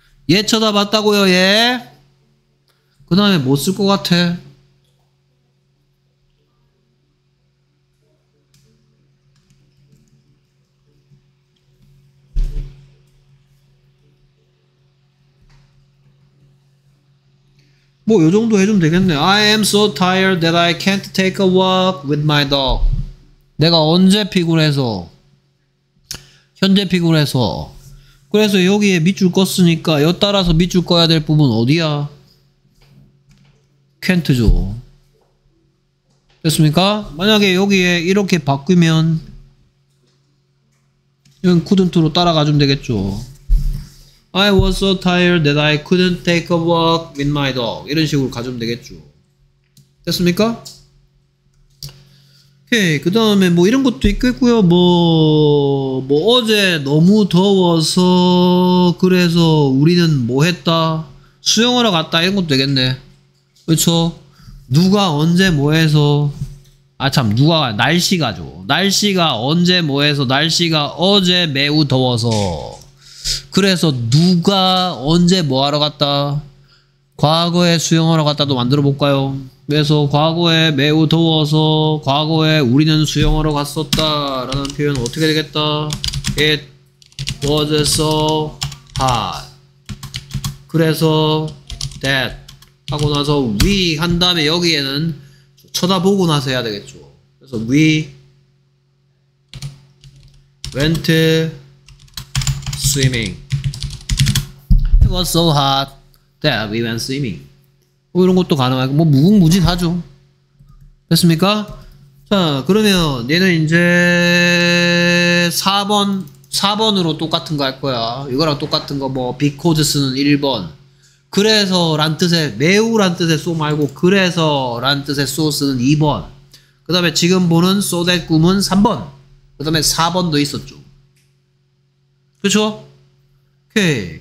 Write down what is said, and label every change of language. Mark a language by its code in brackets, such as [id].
[ko] 얘 쳐다봤다고요 얘? 그 다음에 뭐 쓸 것 같아? 뭐 요정도 해주면 되겠네. [en] I am so tired that I can't take a walk with my dog. [ko] 내가 언제 피곤해서 현재 피곤해서 그래서 여기에 밑줄 껐으니까 여 따라서 밑줄 꺼야 될 부분 어디야? can't죠. 됐습니까? 만약에 여기에 이렇게 바꾸면 이건 couldn't로 따라가주면 되겠죠. [en] I was so tired that I couldn't take a walk with my dog. [ko] 이런 식으로 가주면 되겠죠. 됐습니까? 오케이. 그 다음에 뭐 이런 것도 있겠고요. 뭐 어제 너무 더워서 그래서 우리는 뭐 했다? 수영하러 갔다. 이런 것도 되겠네. 그렇죠? 누가 언제 뭐 해서 아 참 누가 날씨가죠. 날씨가 언제 뭐 해서 날씨가 어제 매우 더워서 그래서 누가 언제 뭐 하러 갔다? 과거에 수영하러 갔다도 만들어 볼까요? 그래서 과거에 매우 더워서 과거에 우리는 수영하러 갔었다 라는 표현은 어떻게 되겠다? [en] It was so hot. [ko] 그래서 that 하고 나서 we 한 다음에 여기에는 쳐다보고 나서 해야 되겠죠. 그래서 [en] we went swimming. It was so hot that we went swimming. [ko] 뭐 이런 것도 가능하고 뭐 무궁무진하죠. 됐습니까? 자 그러면 얘는 이제 4번으로 똑같은 거 할 거야. 이거랑 똑같은 거 뭐 because 쓰는 1번 그래서 란 뜻에 매우 란 뜻에 so 말고 그래서 란 뜻에 so 쓰는 2번 그 다음에 지금 보는 so that 꿈은 3번 그 다음에 4번도 있었죠. 그쵸? 오케이.